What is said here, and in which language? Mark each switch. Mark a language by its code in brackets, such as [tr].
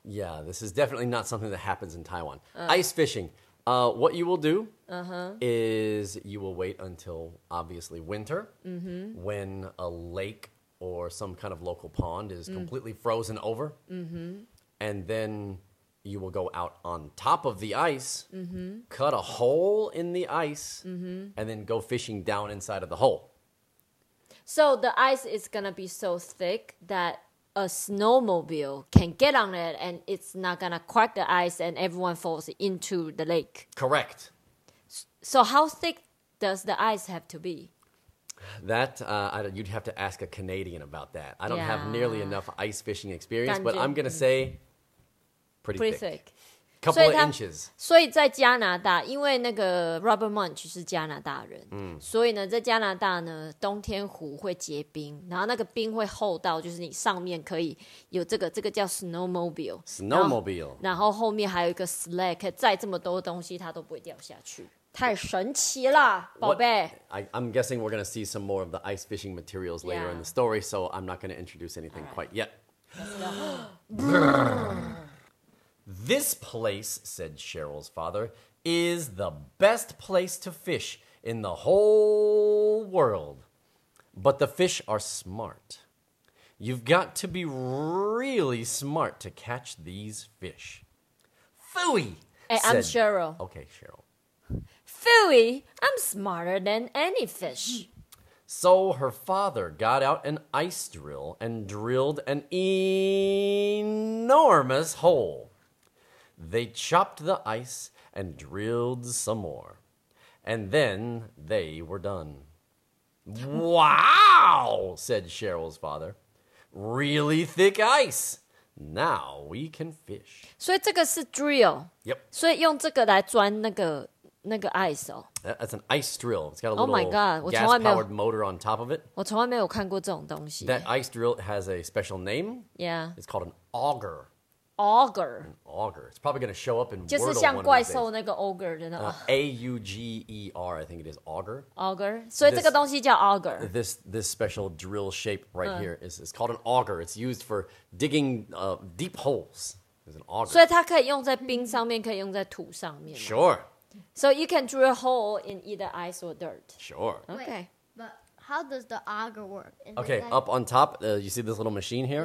[en] Yeah, this is definitely not something that happens in Taiwan. Ice fishing. What you will do is you will wait until obviously winter when a lake or some kind of local pond is completely frozen over. And then you will go out on top of the ice, cut a hole in the ice, and then go fishing down inside of the hole. So the ice is gonna be so thick that a snowmobile can get on it and it's not gonna crack the ice and everyone falls into the lake. Correct. So how thick does the ice have to be? That, you'd have to ask a Canadian about that. I don't Yeah. have nearly enough ice fishing experience, but [zh] 感觉, [en] I'm gonna say pretty pretty thick. thick. Couple of inches. [zh] 所以在加拿大，因为那个 Robert Munch 是加拿大人，所以呢，在加拿大呢，冬天湖会结冰，然后那个冰会厚到，就是你上面可以有这个叫 snowmobile， [en] snowmobile， [zh] 然后后面还有一个 sled， 可以载这么多东西，它都不会掉下去，太神奇了，宝贝。 [en] I'm guessing we're going to see some more of the ice fishing materials later Yeah. in the story, so I'm not going to introduce anything All quite right. yet. This place, said Cheryl's father, is the best place to fish in the whole world. But the fish are smart. You've got to be really smart to catch these fish. Phooey! Hey, I'm Cheryl. Okay, Cheryl. Phooey! I'm smarter than any fish. So her father got out an ice drill and drilled an enormous hole. They chopped the ice and drilled some more. And then they were done. Wow, said Cheryl's father. Really thick ice. Now we can fish. [zh] 所以这个是 drill. [en] Yep. [zh] 所以用这个来钻那个那个 ice 哦。 [en] That's an ice drill. It's got a little gas-powered motor on top of it. [zh] 我从来没有看过这种东西。 [en] That ice drill has a special name. Yeah. It's called an auger. Auger. An auger. It's probably going to show up in Wordle [zh] 就是像怪兽那个 auger 真的。 [en] A-U-G-E-R, I think it is auger. Auger. [zh] 所以这个东西叫 auger. [en] This special drill shape right here is called an auger. It's used for digging deep holes. It's an auger. [zh] 所以它可以用在冰上面，可以用在土上面。 [en] Sure. So you can drill a hole in either ice or dirt. Sure. Okay. Wait, but how does the auger work? Up on top, you see this little machine here?